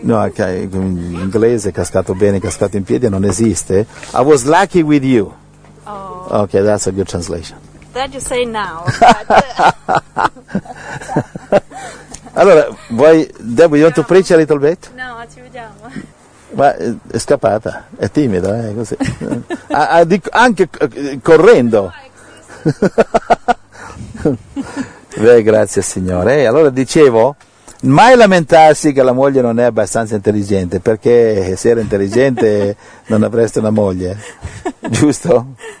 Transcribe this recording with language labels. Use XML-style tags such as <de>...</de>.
<it>No, okay, in inglese cascato bene, cascato in piedi non esiste.</it> <en>I was lucky with you. Oh. Okay, that's a good translation. That you say now.</en> <it>Allora, vuoi,</it> <en>Deb, you want to preach a little bit?</en> <it>No, ci vediamo. Ma è scappata, è timida, è così. anche correndo. Beh, grazie Signore. Allora dicevo, mai lamentarsi che la moglie non è abbastanza intelligente, perché se era intelligente non avreste una moglie, giusto?</it>